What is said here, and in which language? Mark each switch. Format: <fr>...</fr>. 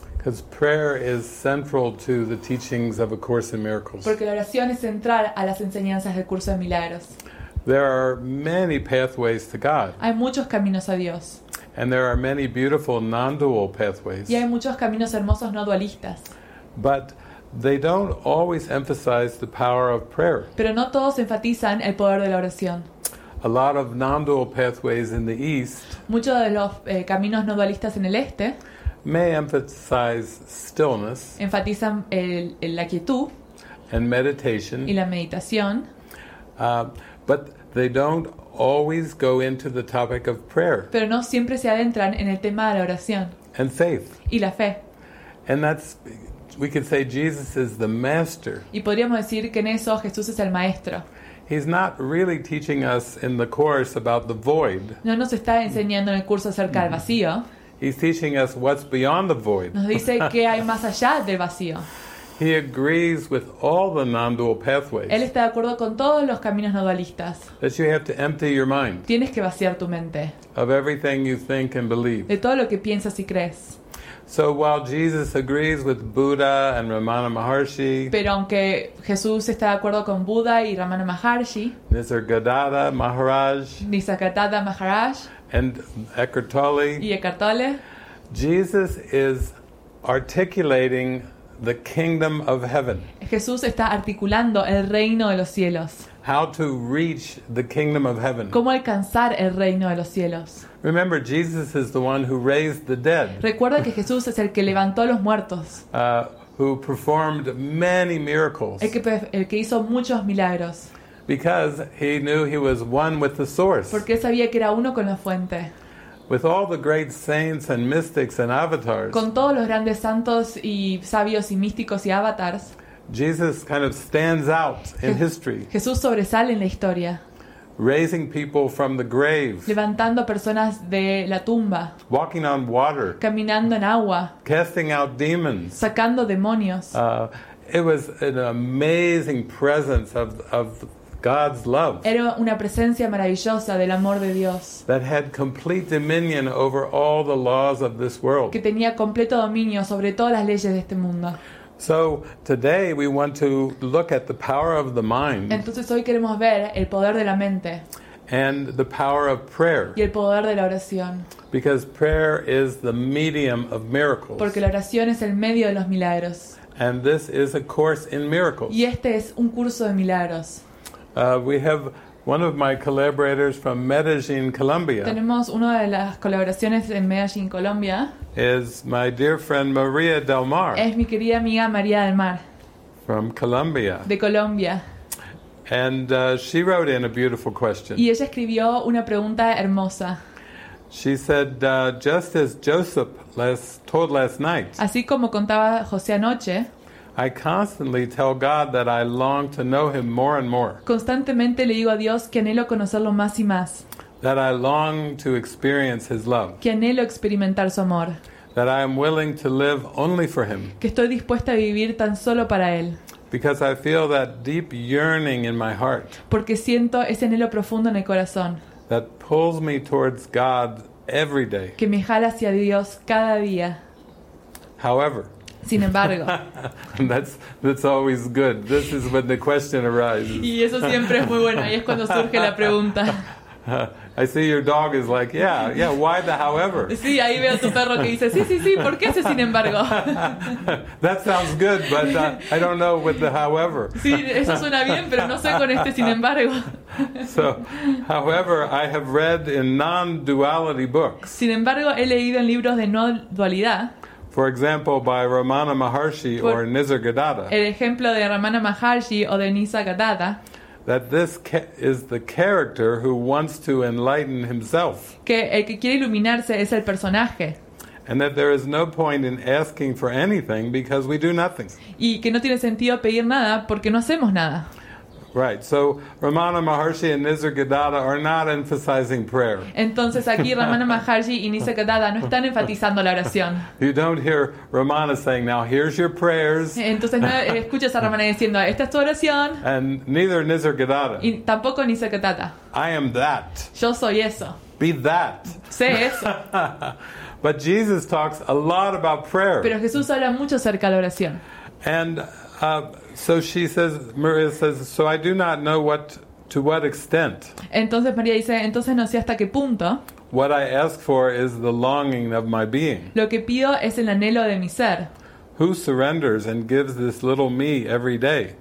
<en>Because prayer is central to the teachings of A Course in Miracles.</en> <es>Porque la oración es central a las enseñanzas del curso de milagros.</es> <en>There are many pathways to God.</en> <es>Hay muchos caminos a Dios.</es> <en>And there are many beautiful non-dual pathways.</en> <es>Y hay muchos caminos hermosos no dualistas.</es> <en>But they don't always emphasize the power of prayer.</en> <es>Pero no todos enfatizan el poder de la oración.</es> <en>A lot of non-dual pathways in the East.</en> <es>Muchos de los caminos no dualistas en el este.</es> <en>May emphasize stillness.</en> <es>Enfatizan la quietud.</es> <en>And meditation.</en> <es>Y la meditación.</es> <en>But they don't always go into the topic of prayer.</en> <es>Pero no siempre se adentran en el tema de la oración.</es> <en>And faith.</en> <es>Y la fe.</es> <en>And that's, we could say Jesus is the master.</en> <es>Y podríamos decir que en eso Jesús es el maestro.</es> <en>He's not really teaching us in the course about the void.</en> <es>No nos está enseñando en el curso acerca del vacío.</es> <en>He's teaching us what's beyond the void.</en> <es>Nos dice qué hay más allá del vacío.</es> <en>He agrees with all the non-dual pathways.</en> <es>Él está de acuerdo con todos los caminos no dualistas.</es> <en>That you have to empty your mind.</en> <es>Tienes que vaciar tu mente.</es> <en>Of everything you think and believe.</en> <es>De todo lo que piensas y crees.</es> <en>So while Jesus agrees with Buddha and Ramana Maharshi.</en> <es>Pero aunque Jesús está de acuerdo con Buda y Ramana Maharshi.</es> <en>Nisargadatta Maharaj.</en> <es>Nisargadatta Maharaj.</es> <en>And Eckhart Tolle.</en> <es>Y Eckhart Tolle.</es> <en>Jesus is articulating the kingdom of heaven.</en> <es>Jesús está articulando el reino de los cielos.</es> <en>How to reach the kingdom of heaven.</en> <es>¿Cómo alcanzar el reino de los cielos?</es> <en>Remember, Jesus is the one who raised the dead.</en> <es>Recuerda que Jesús es el que levantó a los muertos.</es> <en>Who performed many miracles.</en> <es>El que hizo muchos milagros.</es> <en>Because he knew he was one with the source.</en> <es>Porque sabía que era uno con la fuente.</es> <en>With all the great saints and mystics and avatars.</en> <es>Con todos los grandes santos y sabios y místicos y avatars.</es> <en>Jesus kind of stands out in history.</en> <es>Jesús sobresale en la historia.</es> <en>Raising people from the grave.</en> <es>Levantando personas de la tumba.</es> <en>Walking on water.</en> <es>Caminando en agua.</es> <en>Casting out demons.</en> <es>Sacando demonios.</es> <en>It was an amazing presence of God's love.</en> <es>Era una presencia maravillosa del amor de Dios.</es> <en>That had complete dominion over all the laws of this world.</en> <es>Que tenía completo dominio sobre todas las leyes de este mundo.</es> <en>So today we want to look at the power of the mind.</en> <es>Entonces hoy queremos ver el poder de la mente.</es> <en>And the power of prayer.</en> <es>Y el poder de la oración.</es> <en>Because prayer is the medium of miracles.</en> <es>Porque la oración es el medio de los milagros.</es> <en>And this is a course in miracles.</en> <es>Y este es un curso de milagros.</es> <en>We have one of my collaborators from Medellín, Colombia.</en> <es>Tenemos una de las colaboraciones en Medellín, Colombia.</es> <en>Is my dear friend María del Mar.</en> <es>Es mi querida amiga María del Mar.</es> <en>From Colombia.</en> <es>De Colombia.</es> <en>And she wrote in a beautiful question.</en> <es>Y ella escribió una pregunta hermosa.</es> <en>She said, just as Joseph told last night.</en> <es>Así como contaba José anoche.</es> <en>I constantly tell God that I long to know Him more and more.</en> <es>Constantemente le digo a Dios que anhelo conocerlo más y más.</es> <en>That I long to experience His love.</en> <es>Que anhelo experimentar su amor.</es> <en>That I am willing to live only for Him.</en> <es>Que estoy dispuesta a vivir tan solo para Él.</es> <en>Because I feel that deep yearning in my heart.</en> <es>Porque siento ese anhelo profundo en el corazón.</es> <en>That pulls me towards God every day.</en> <es>Que me jala hacia Dios cada día.</es> <en>However.</en> <es>Sin embargo.</es> <en>that's always good. This is when the question arises.</en> <es>Y eso siempre es muy bueno. Ahí es cuando surge la pregunta.</es> <en>I see your dog is like, yeah, why the however?</en> <es>Sí, ahí veo a tu perro que dice, sí, ¿por qué ese sin embargo?</es> <en>That sounds good, but I don't know with the however.</en> <es>Sí, eso suena bien, pero no sé con este sin embargo.</es> <en>So, however, I have read in non-duality books.</en> <es>Sin embargo, he leído en libros de no dualidad.</es> <en>For example, by Ramana Maharshi or Nisargadatta.</en> <es>El ejemplo de Ramana Maharshi o de Nisargadatta.</es> <en>That this is the character who wants to enlighten himself.</en> <es>Que el que quiere iluminarse es el personaje.</es> <en>And that there is no point in asking for anything because we do nothing.</en> <es>Y que no tiene sentido pedir nada porque no hacemos nada.</es> <en>Right. So Ramana Maharshi and Nisargadatta are not emphasizing prayer.</en> <es>Entonces aquí Ramana Maharshi y Nisargadatta no están enfatizando la oración.</es> <en>You don't hear Ramana saying, "Now here's your prayers."</en> <es>Entonces no escuchas a Ramana diciendo, "Esta es tu oración."</es> <en>And neither Nisargadatta.</en> <es>Y tampoco Nisargadatta.</es> <en>I am that.</en> <es>Yo soy eso.</es> <en>Be that.</en> <es>Sé eso.</es> <en>But Jesus talks a lot about prayer.</en> <es>Pero Jesús habla mucho acerca de la oración.</es> <en>And so she says, Maria says, so I do not know to what extent.</en> <es>Entonces María dice, entonces no sé hasta qué punto.</es> <en>What I ask for is the longing of my being.</en> <es>Lo que pido es el anhelo de mi ser.</es> <en>Who surrenders and gives this little me every day?</en>